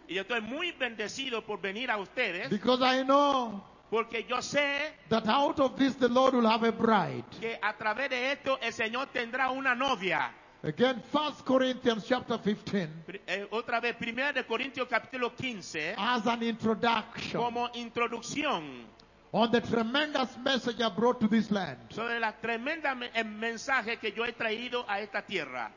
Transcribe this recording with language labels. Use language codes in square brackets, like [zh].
[es] Y estoy muy bendecido por venir a ustedes. [en] Because I know. [es] Porque yo sé. [en] That out of this the Lord will have a bride. [es] Que a través de esto el Señor tendrá una novia. [en] Again, 1 Corinthians chapter 15. [es] Otra vez, Primera de Corintios capítulo 15. [en] As an introduction. [es] Como introducción. [en] On the tremendous message I brought to this land. [es] Sobre la tremenda mensaje que yo he traído a esta tierra.